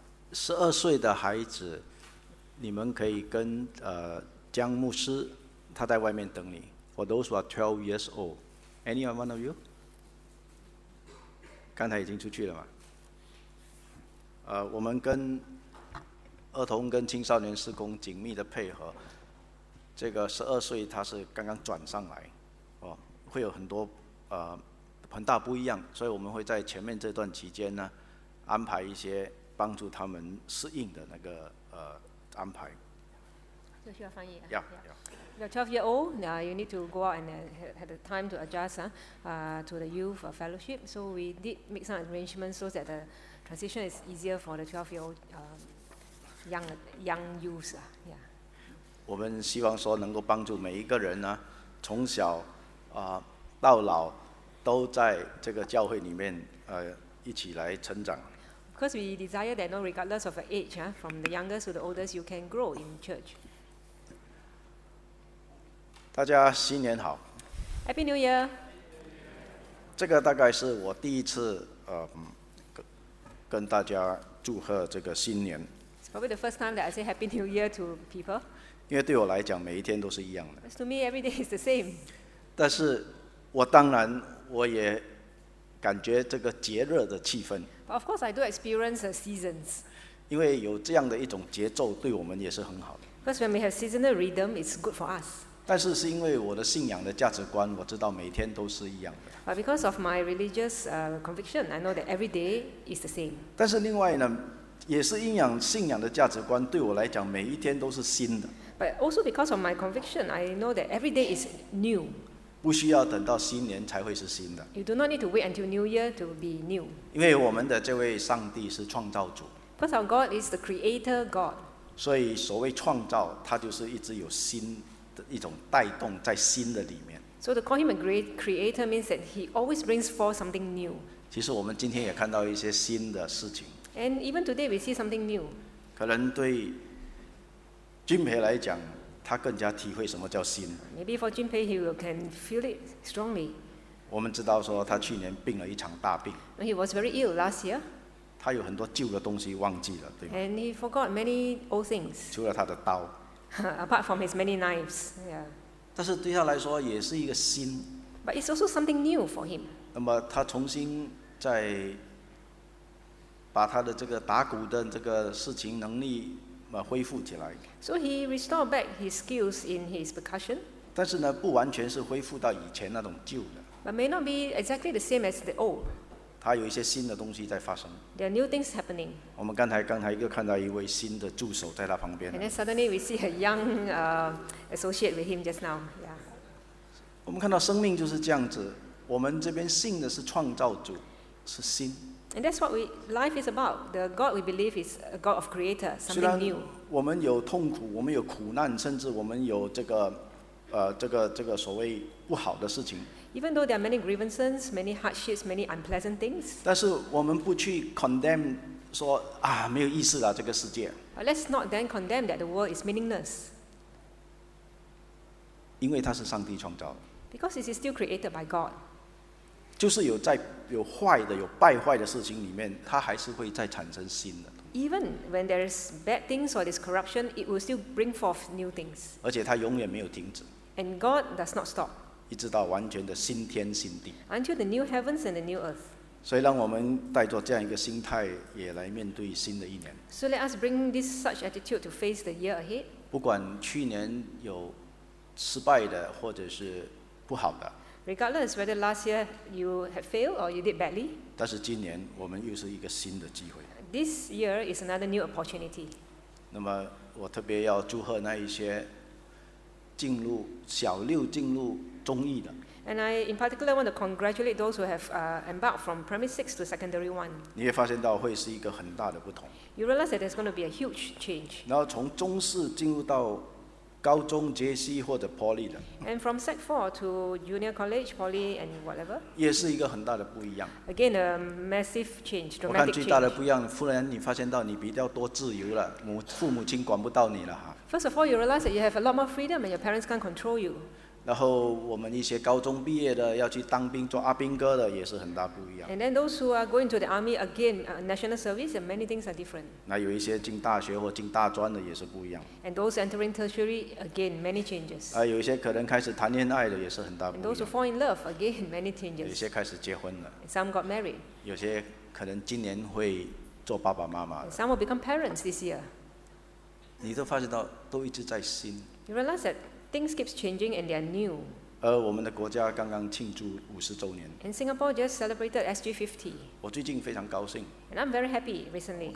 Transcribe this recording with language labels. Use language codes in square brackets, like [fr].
[zh] 十二岁的孩子，你们可以跟江牧师，他在外面等你。 [en] For those who are 12 years old, any one of you? [zh] 刚才已经出去了嘛？我们跟儿童跟青少年事工紧密的配合。这个十二岁他是刚刚转上来，哦，会有很多很大不一样，所以我们会在前面这段期间呢，安排一些帮助他们适应的那个安排。 [en] Yeah. You're 12 years old. Now you need to go out and have the time to adjust to the youth fellowship. So we did make some arrangements so that the transition is easier for the 12 year old young youth. Yeah. [zh] 我们希望说能够帮助每一个人呢，从小到老都在这个教会里面一起来成长。 [en] Because we desire that no regardless of the age, from the youngest to the oldest, you can grow in church. [zh] 大家新年好 [en] ，Happy New Year。 [zh] 这个大概是我第一次跟大家祝贺这个新年。 [en] It's probably the first time that I say Happy New Year to people。 [zh] 因为对我来讲，每一天都是一样的。 [en] To me, every day is the same。 [zh] 但是我当然我也感觉这个节日的气氛。 [en] But of course, I do experience the seasons。 [zh] 因为有这样的一种节奏，对我们也是很好的。 [en] Because when we have seasonal rhythm, it's good for us。 [zh] 但是因为我的信仰的价值观，我知道每天都是一样的。 [en] But because of my religious conviction, I know that every day is the same. [zh] 但是另外呢，也是因仰信仰的价值观，对我来讲，每一天都是新的。 [en] But also because of my conviction, I know that every day is new. [zh] 不需要等到新年才会是新的。 [en] You do not need to wait until New Year to be new. [zh] 因为我们的这位上帝是创造主。 [en] Because our God is the Creator God. [zh] 所以所谓创造，它就是一直有新。一种带动在心的里面。 [en] So to call him a great creator means that he always brings forth something new. [zh] 其实我们今天也看到一些新的事情。 [en] And even today we see something new. [zh] 可能对俊培来讲，他更加体会什么叫新。 [en] Maybe for Jun Pei, he will can feel it strongly. [zh] 我们知道说他去年病了一场大病。 [en] He was very ill last year. [zh] 他有很多旧的东西忘记了，对吗 [en] ？And he forgot many old things. [zh] 除了他的刀。 [en] Apart from his many knives, yeah. [zh] 但是对他来说也是一个新。 [en] But it's also something new for him. [zh] 那么他重新再把他的这个打鼓的这个事情能力恢复起来。 [en] So he restored back his skills in his percussion. [zh] 但是呢，不完全是恢复到以前那种旧的。 [en] But may not be exactly the same as the old. [zh] 他有一些新的东西在发生。 [en] There are new things happening. [zh] 我们刚才又看到一位新的助手在他旁边。 [en] And then suddenly we see a young associate with him just now. Yeah. [zh] 我们看到生命就是这样子，我们这边信的是创造主，是新。 [en] And that's what life is about. The God we believe is a God of creator, something new. [zh] 我们有痛苦，我们有苦难，甚至我们有这个，这个所谓不好的事情。 [en] Even though there are many grievances, many hardships, many unpleasant things. [zh] 但是我们不去 [en] condemn [zh] 说啊没有意思了这个世界。 [en] But let's not then condemn that the world is meaningless. [zh] 因为它是上帝创造的。 [en] Because it is still created by God. [zh] 就是有在有坏的、有败坏的事情里面，它还是会再产生新的。 [en] Even when there is bad things or there's corruption, it will still bring forth new things. [zh] 而且它永远没有停止。 [en] And God does not stop. [zh] 一直到完全的新天新地。 [en] Until the new heavens and the new earth. [zh] 所以让我们带着这样一个心态，也来面对新的一年。 [en] So let us bring this such attitude to face the year ahead. [zh] 不管去年有失败的，或者是不好的。 [en] Regardless whether last year you had failed or you did badly. [zh] 但是今年我们又是一个新的机会。 [en] This year is another new opportunity. [zh] 那么我特别要祝贺那一些进入小六进入中一的。 [en] And I in particular want to congratulate those who have embarked from primary six to secondary one. [zh] 你会发现到会是一个很大的不同。 [en] You realize that there's going to be a huge change. [zh] 然后从中四进入到高中 JC 或者 Poly 的 [en] ，and from Sec 4 to Junior College, Poly and whatever， [zh] 也是一个很大的不一样。 [en] Again, a massive change, dramatic change. [zh] 我看最大的不一样，忽然你发现到你比较多自由了，父母亲管不到你了哈。 [en] First of all, you realize that you have a lot more freedom and your parents can't control you. [zh] 然后我们一些高中毕业的要去当兵做阿兵哥的，也是很大不一样。 [en] And then those who are going to the army again, national service, and many things are different. [zh] 那有一些进大学或进大专的也是不一样。 [en] And those entering tertiary again, many changes. [zh] 有一些可能开始谈恋爱的也是很大不一样。 [en] And those who fall in love again, many changes. [zh] 有些开始结婚了。 [en] Some got married. [zh] 有些可能今年会做爸爸妈妈。 [en] Some will become parents this year. [zh] 你都发现到都一直在新。 [en] You realize that. Things keep changing and they are new. [zh] 而我们的国家刚刚庆祝五十周年。 [en] And Singapore just celebrated SG50. [zh] 我最近非常高兴。 [en] And I'm very happy recently.